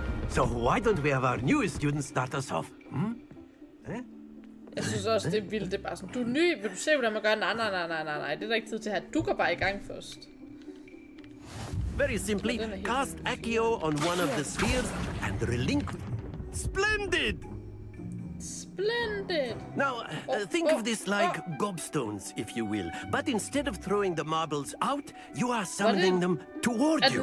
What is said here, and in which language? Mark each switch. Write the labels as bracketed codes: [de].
[en] So why don't we have our newest student start us off? Hmm? Eh? [da] Jeg synes også, det er vildt. Det er bare sådan, du er ny, vil du se, hvordan man gør? Nej. Det er der ikke tid til her. Du går bare i gang først. [en] Very simply, cast Accio on one of the spheres and relinquish. Splendid! Splendid! Now, think of this like gobstones, if you will. But instead of throwing the marbles out, you are summoning them toward you.